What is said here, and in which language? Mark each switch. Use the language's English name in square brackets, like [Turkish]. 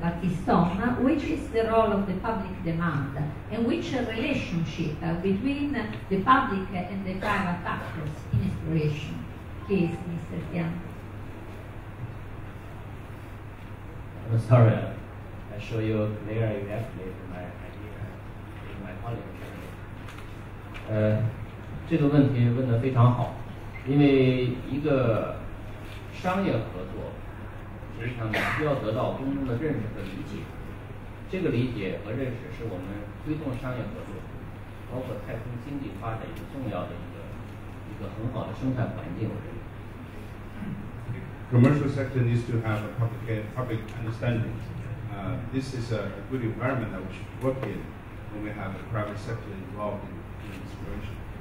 [English] Battiston, which is the role of the public demand and which relationship between the public and the private actors in exploration? Please, Mr. Etienne. I'm sorry, I'll show you later exactly my colleague. [Chinese] 这个问题问得非常好，因为一个商业合作实际上需要得到公众的认识和理解，这个理解和认识是我们推动商业合作，包括太空经济发展一个重要的一个很好的生态环境。我认为，commercial [English] sector needs to have a public understanding. This is a good environment that we should work in when we have a private sector involved in exploration.